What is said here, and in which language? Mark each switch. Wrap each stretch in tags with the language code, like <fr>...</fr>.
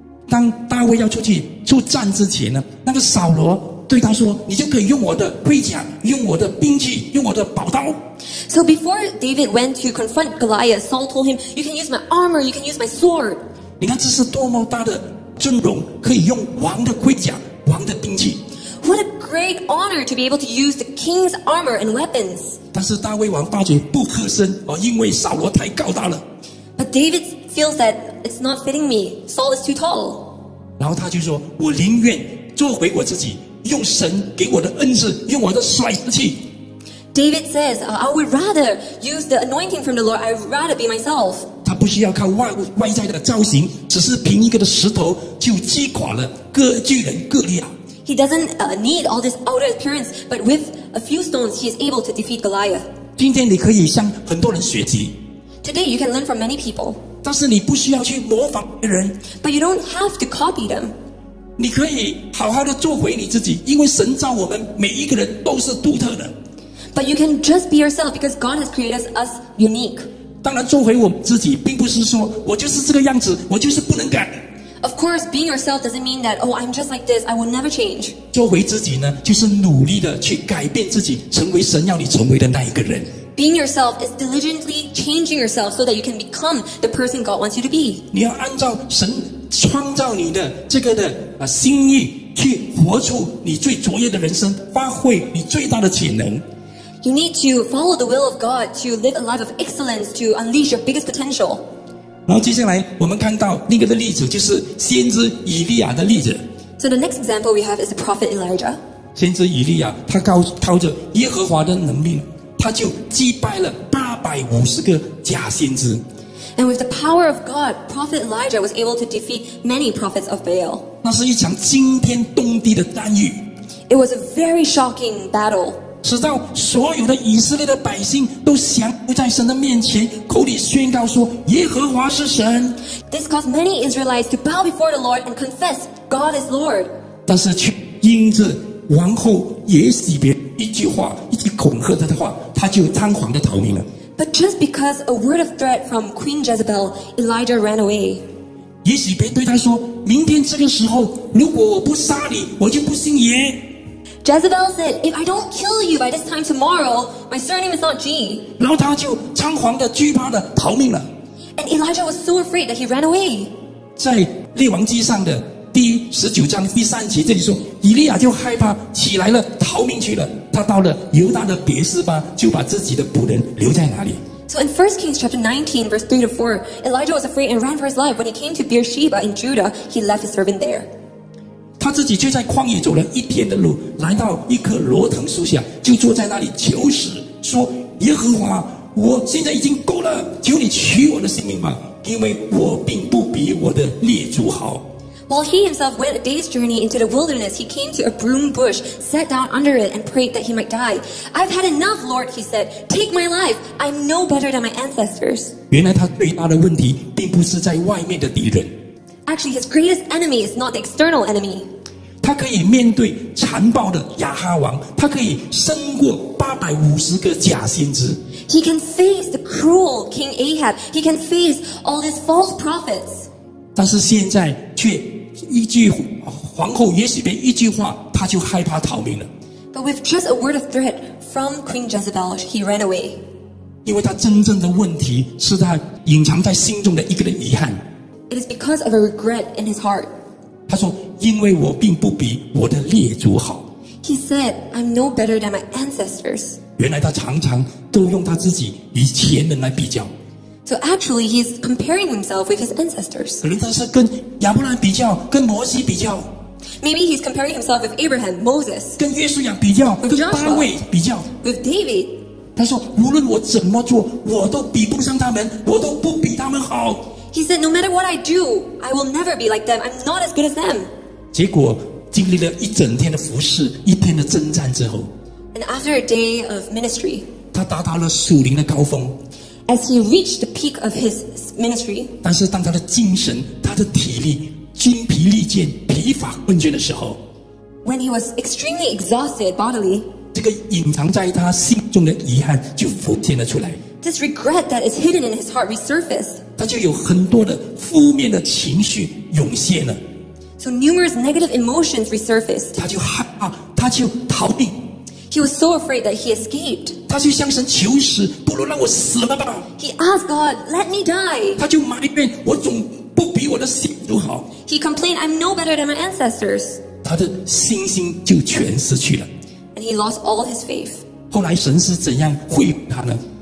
<zh>当大卫要出去出战之前呢，那个扫罗对他说：“你就可以用我的盔甲，用我的兵器，用我的宝刀。”</zh> <en>So before David went to confront Goliath, Saul told him, "You can use my armor. You can use my sword."</en> <zh>你看这是多么大的尊荣，可以用王的盔甲、王的兵器。</zh> <en>What a great honor to be able to use the king's armor and weapons.</en> <zh>但是大卫王发觉不合身，因为扫罗太高大了。</zh> <en>But David feels that it's not fitting me. Saul is too tall.</en> <zh>然后他就说，我宁愿做回我自己，用神给我的恩赐，用我的帅气。</zh> <en>David says, I would rather use the anointing from the Lord. I'd rather be myself.</en> <zh>他不需要靠 外在的造型，只是凭一个的石头就击垮了各巨人各利亚。</zh> <en>He doesn't need all this outer appearance, but with a few stones, he is able to defeat Goliath.</en> <zh>今天你可以向很多人学习。</zh> <en>Today, you can learn from many people.</en> <zh>但是你不需要去模仿别人。</zh> <en>But you don't have to copy them.</en> <zh>你可以好好的做回你自己，因为神造我们每一个人都是独特的。</zh> <en>But you can just be yourself because God has created us unique.</en> <zh>当然，做回我自己，并不是说我就是这个样子，我就是不能改。</zh> <en>Of course, being yourself doesn't mean that, oh, I'm just like this, I will never change.</en> <zh>做回自己呢，就是努力的去改变自己，成为神要你成为的那一个人。</zh> <en>Being yourself is diligently changing yourself so that you can become the person God wants you to be.</en> <zh>你要按照神创造你的这个的心意，去活出你最卓越的人生，发挥你最大的潜能。</zh> <en>You need to follow the will of God to live a life of excellence, to unleash your biggest potential.</en> <zh>然后接下来我们看到另一个例子，就是先知以利亚的例子。</zh> <en>So the next example we have is the prophet Elijah.</en> <zh>先知以利亚他靠着耶和华的能力，他就击败了850个假先知。</zh> <en>And with the power of God, prophet Elijah was able to defeat many prophets of Baal.</en> <zh>那是一场惊天动地的战役。</zh> <en>It was a very shocking battle.</en> <zh>直到所有的以色列的百姓都降服在神的面前，口里宣告说耶和华是神。</zh> <en>This caused many Israelites to bow before the Lord and confess God is Lord.</en> <zh>但是却因着王后耶洗别一句话，一句恐吓他的话，他就仓皇的逃命了。</zh> <en>But just because a word of threat from Queen Jezebel, Elijah ran away.</en> <zh>耶洗别对他说，明天这个时候如果我不杀你，我就不信耶。</zh> <en>Jezebel said, if I don't kill you by this time tomorrow, my surname is not G.</en> <zh>然后他就仓皇的惧怕的逃命了。</zh> <en>And Elijah was so afraid that he ran away.</en> <zh>在列王记上的第19章第3节这里说，以利亚就害怕起来了，逃命去了。他到了犹大的别示巴，就把自己的仆人留在那里。</zh> <en>So in 1 Kings chapter 19, verse 3 to 4, Elijah was afraid and ran for his life. When he came to Beersheba in Judah, he left his servant there.</en> <zh>他自己却在旷野走了一天的路，来到一棵罗藤树下，就坐在那里求死，说：耶和华，我现在已经够了，求你取我的性命吧，因为我并不比我的列祖好。</zh> <en>While he himself went a day's journey into the wilderness, he came to a broom bush, sat down under it, and prayed that he might die. I've had enough, Lord, he said. Take my life. I'm no better than my ancestors.</en> <zh>原来他最大的问题并不是在外面的敌人。</zh> <en>Actually, his greatest enemy is not the external enemy.</en> <zh>他可以面对残暴的亚哈王，他可以胜过850个假先知。</zh> <en>He can face the cruel King Ahab. He can face all these false prophets.</en> <zh>但是现在却一句皇后约洗别一句话，他就害怕逃命了。</zh> <en>But with just a word of threat from Queen Jezebel, he ran away.</en> <zh>因为他真正的问题是他隐藏在心中的一个的遗憾。</zh> <en>It is because of a regret in his heart.</en> <zh>他说：“因为我并不比我的列祖好。”</zh> <en>He said, "I'm no better than my ancestors."</en> <zh>原来他常常都用他自己与前人来比较。</zh> <en>So actually, he's comparing himself with his ancestors.</en> <zh>可能他是跟亚伯拉罕比较，跟摩西比较。</zh> <en>Maybe he's comparing himself with Abraham, Moses.</en> <zh>跟约书亚比较，</zh> <en>with Joshua,</en> <zh>跟大卫比较。</zh> <en>With David.</en> <zh>他说，无论我怎么做，我都比不上他们，我都不比他们好。</zh> <en>He said, no matter what I do, I will never be like them. I'm not as good as them.</en> <zh>结果经历了一整天的服事，一天的征战之后。</zh> <en>And after a day of ministry.</en> <zh>他达到了属灵的高峰。</zh> <en>As he reached the peak of his ministry,</en> <zh>但是当他的精神、他的体力、精疲力尽、疲乏困倦的时候，</zh> <en>when he was extremely exhausted bodily,</en> <zh>这个隐藏在他心中的遗憾就浮现了出来。</zh> <en>This regret that is hidden in his heart resurfaced.</en> <zh>他就有很多的负面的情绪涌现了。</zh> <en>So numerous negative emotions resurfaced.</en> <zh>他就害怕，他就逃避。</zh> <en>He was so afraid that he escaped.</en> <zh>他就向神求死，不如让我死了吧。</zh> <en>He asked God, let me die.</en> <zh>他就埋怨，我总不比我的先祖好。</zh> <en>He complained, I'm no better than my ancestors.</en> <zh>他的信心就全失去了。</zh> <en>And he lost all his faith.</en> <zh>后来神是怎样恢复他呢？</zh>